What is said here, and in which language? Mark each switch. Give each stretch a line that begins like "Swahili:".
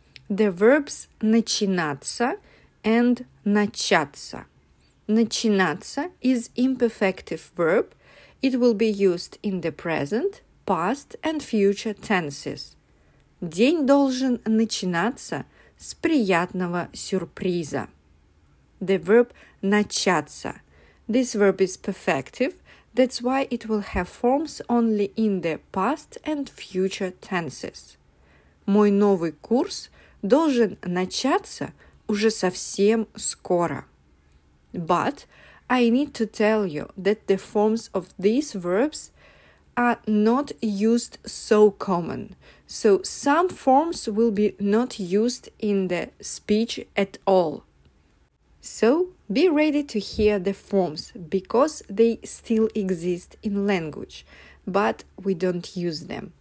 English: The verbs начинаться and начаться. Начинаться is imperfective verb. It will be used in the present, past and future tenses.
Russian: День должен начинаться с приятного сюрприза.
English: The verb начаться. This verb is perfective. That's why it will have forms only in the past and future tenses.
Russian: Мой новый курс должен начаться уже совсем скоро.
English: But I need to tell you that the forms of these verbs are not used so common. So some forms will be not used in the speech at all. So be ready to hear the forms because they still exist in language, but we don't use them.